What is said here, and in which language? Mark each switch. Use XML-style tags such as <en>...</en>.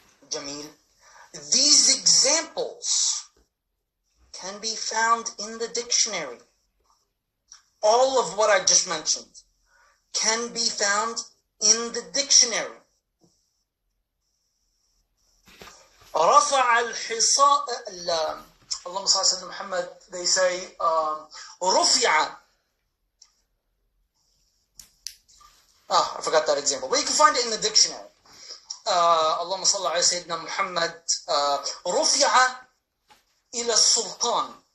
<en>Jameel. These examples can be found in the dictionary. All of what I just mentioned can be found in the dictionary.</en> <ar>رفع الحصاء اللهم صل على سيدنا محمد.</ar> <en>They say رفع. I forgot that example, but you can find it in the dictionary.</en> <ar>اللهم صل على سيدنا محمد. رفع إلى السلطان.</ar>